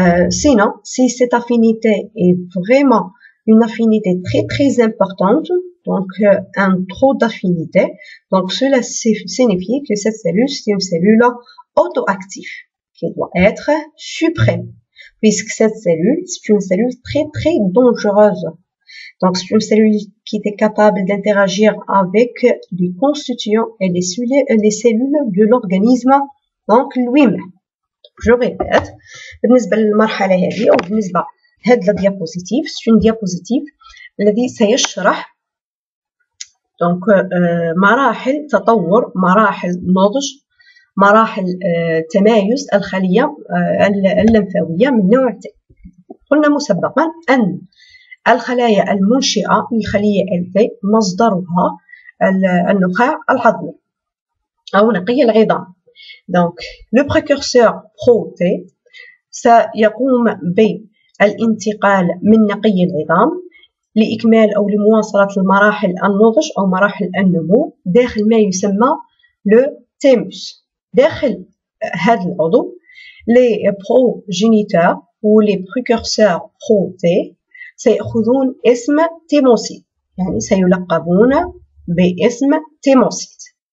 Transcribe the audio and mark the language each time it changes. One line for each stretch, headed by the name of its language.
French: Sinon, si cette affinité est vraiment une affinité très très importante, donc un trop d'affinité, donc cela signifie que cette cellule, c'est une cellule autoactive qui doit être supprimée, puisque cette cellule, c'est une cellule très très dangereuse. Donc c'est une cellule qui est capable d'interagir avec les constituants et les cellules de l'organisme, donc lui-même. Je répète,
Arabic: بالنسبة للمرحلة هذه أو بالنسبة هذا الديابوزيتيف،
French: c'est une diapositive
Arabic: الذي سيشرح donc مراحل تطور، مراحل نضج، مراحل تمايز الخلية اللمفاوية من نوع T. قلنا مسبقا أن الخلايا المنشئة للخلية الفي مصدرها النخاع الهضمي أو نقي العظام.
French: Donc, le précurseur pro-T, ça yakoum b
Arabic: الانتقال من نقي العظام لإكمال أو لمواصلة المراحل النضج أو مراحل النمو داخل ما يسمى لو تيموس. داخل هذا العضو لي بروجينيتور أو لي بريكورسور برو تي سيأخذون اسم تيموسيت، يعني سيلقبون باسم تيموسيت.